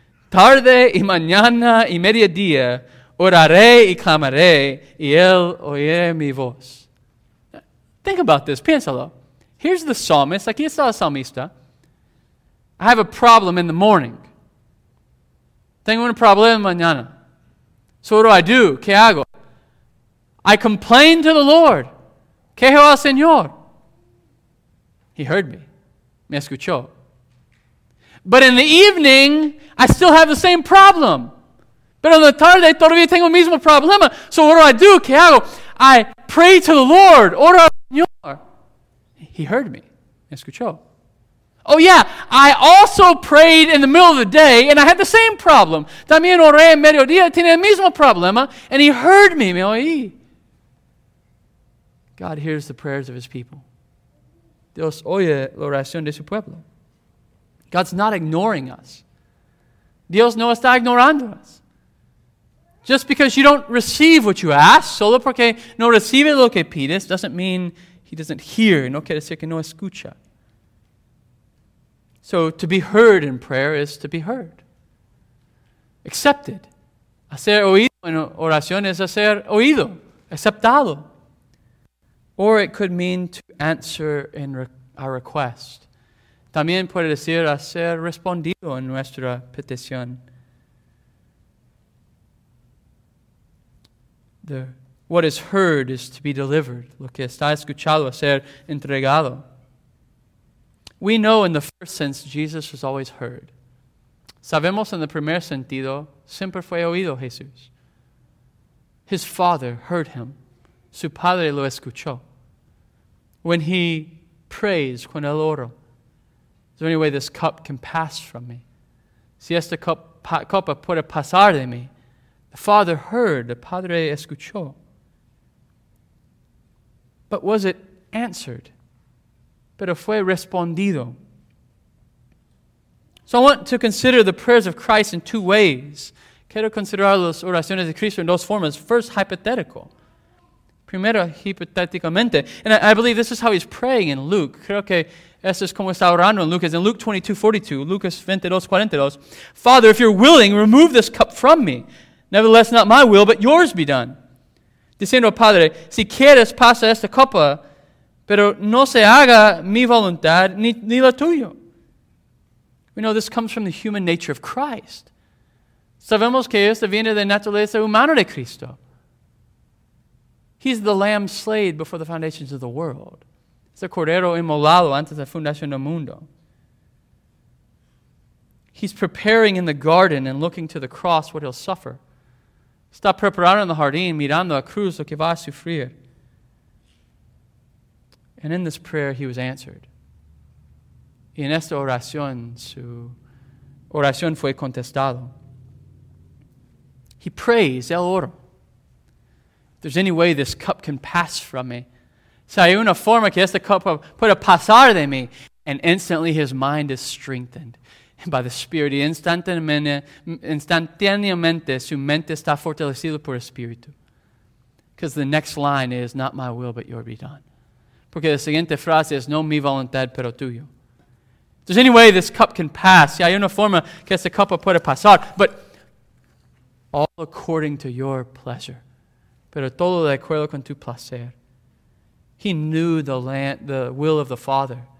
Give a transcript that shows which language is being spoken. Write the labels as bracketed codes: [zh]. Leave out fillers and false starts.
[es] Tarde y mañana y mediodía, oraré y clamaré, y él oye mi voz. [en] Think about this, [es] piénsalo. [en] Here's the psalmist, [es] aquí está el salmista. [en] I have a problem in the morning. [es] Tengo un problema mañana. [en] So what do? [es] ¿Qué hago? [en] I complain to the Lord. [es] Quejo al Señor. [en] He heard me. [es] Me escuchó. [en] But in the evening, I still have the same problem. [es] Pero en la tarde todavía tengo el mismo problema. [en] So what do? [es] ¿Qué hago? [en] I pray to the Lord. [es] Oro al Señor. [en] He heard me. [es] Me escuchó. [en] Oh yeah, I also prayed in the middle of the day, and I had the same problem. [es] También oré en mediodía, tenía el mismo problema, [en] and he heard me, [es] me oí. [en] God hears the prayers of his people. [es] Dios oye la oración de su pueblo. [en] God's not ignoring us. [es] Dios no está ignorando [en] us. Just because you don't receive what you ask, [es] solo porque no recibe lo que pides, [en] doesn't mean he doesn't hear, [es] no quiere decir que no escucha. [en] So to be heard in prayer is to be heard. Accepted. [es] Hacer oído en oración es hacer oído. Aceptado. [en] Or it could mean to answer in our request. [es] También puede decir hacer respondido en nuestra petición. [en] What is heard is to be delivered. [es] Lo que está escuchado, ser entregado. [en] We know in the first sense Jesus was always heard. [es] Sabemos en el primer sentido, siempre fue oído Jesús. [en] His Father heard him. [es] Su Padre lo escuchó. [en] When he prays, [es] cuando él ora, [en] is there any way this cup can pass from me? [es] Si esta copa puede pasar de mí, [en] the Father heard, the [es] Padre escuchó. [en] But was it answered? [es] Pero fue respondido. [en] So I want to consider the prayers of Christ in two ways. [es] Quiero considerar las oraciones de Cristo en dos formas. [en] First, hypothetical. [es] Primero, hipotéticamente. [en] And I believe this is how he's praying in Luke. [es] Creo que eso es como está orando en Lucas. [en] In Luke 22:42, Lucas 22:42, Father, if you're willing, remove this cup from me. Nevertheless, not my will, but yours be done. [es] Diciendo, Padre, si quieres, pasa esta copa, pero no se haga mi voluntad ni la tuya. [en] We know this comes from the human nature of Christ. [es] Sabemos que esto viene de la naturaleza humana de Cristo. [en] He's the lamb slain before the foundations of the world. [es] Es el cordero inmolado antes de la fundación del mundo. [en] He's preparing in the garden and looking to the cross what he'll suffer. [es] Está preparando en el jardín, mirando a cruz lo que va a sufrir. [en] And in this prayer, he was answered. [es] Y en esta oración, su oración fue contestado. [en] He prays, [es] él ora. [en] If there's any way this cup can pass from me, [es] si hay una forma que esta copa pueda pasar de mí, [en] and instantly his mind is strengthened. And by the Spirit, [es] instantaneamente su mente está fortalecida por el Espíritu. [en] Because the next line is, not my will, but your be done. [es] Porque la siguiente frase es, no mi voluntad, pero tuyo. [en] There's any way this cup can pass. [es] Si hay una forma que esta copa puede pasar. [en] But all according to your pleasure. [es] Pero todo de acuerdo con tu placer. [en] He knew the will of the Father.